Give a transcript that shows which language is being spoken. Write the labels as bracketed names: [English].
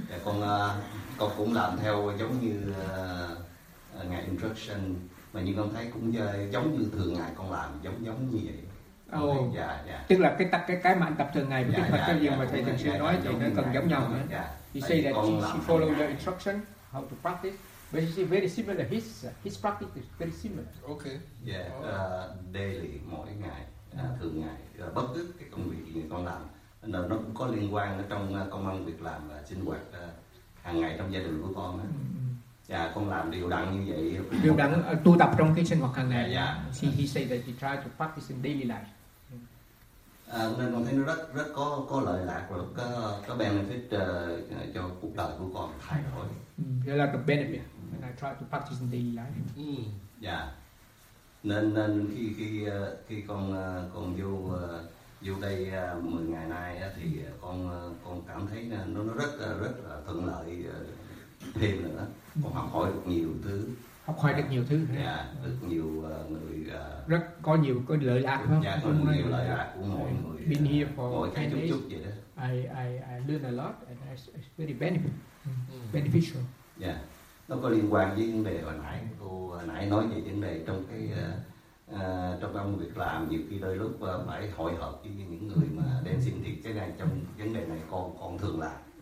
[Vietnamese] Yeah, con cũng làm theo giống như ngày instruction, mà như con thấy cũng giống như thường ngày con làm giống như vậy. [English] Oh. Okay. Yeah, yeah. [Vietnamese] Tức là cái mà anh tập thường ngày với cái cái gì mà thầy thường xuyên nói thì nó cần giống nhau hả? [English] Yeah. He say that she follow your instruction how to practice. But it's very similar. His practice is very similar. Okay. Yeah. [Vietnamese] Daily, mỗi ngày, thường ngày, bất cứ cái công việc gì con làm, nó cũng có liên quan ở trong công ăn việc làm và sinh hoạt hàng ngày trong gia đình của con. Dạ, con làm điều đặn như vậy. Điều đặn tu tập trong cái sinh hoạt hàng ngày. Dạ. [English] He said that he tried to practice in daily life. [Vietnamese] Nên con thấy nó rất rất có lợi lạc và có benefit cho cuộc đời của con thay đổi. [English] A lot of benefit. And I try to practice in daily life. [Vietnamese] Dạ. Nên khi con vô đây 10 ngày nay thì con cảm thấy nó rất là thuận lợi thêm nữa. Con học hỏi được nhiều thứ. Học hỏi được nhiều thứ. Dạ, được nhiều người rất có nhiều có lợi lạc không? Dạ, có nhiều lợi lạc của mọi người. [English] Been here for [Vietnamese] mọi thấy chút chút vậy đó. [English] I learn a lot and it's very beneficial. [Vietnamese] Dạ. Nó có liên quan với vấn đề hồi nãy cô nãy nói về vấn đề trong cái trong công việc làm, nhiều khi đôi lúc phải hội họp với những người mà đem xin thiệt cái này trong vấn đề này con thường làm.